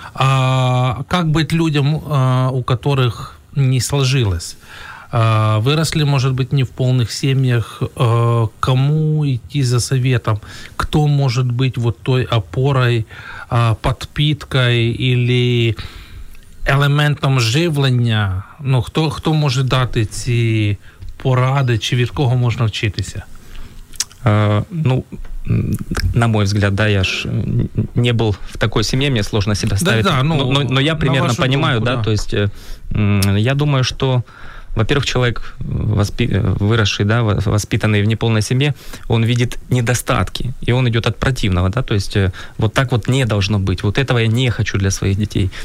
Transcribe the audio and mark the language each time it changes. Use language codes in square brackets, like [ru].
[ru] А как быть людям, у которых не сложилось? Выросли, может быть, не в полных семьях. Кому идти за советом? Кто может быть вот той опорой, подпиткой или элементом живлення? [uk] Ну, хто може дати ці поради, чи від кого можна вчитися? [ru] Ну, на мой взгляд, да, я ж не был в такой семье, мне сложно себя ставить. Да, да, ну, но я примерно понимаю, думку, да, да, то есть я думаю, что во-первых, человек, выросший, да, воспитанный в неполной семье, он видит недостатки, и он идет от противного, да, то есть вот так вот не должно быть, вот этого я не хочу для своих детей.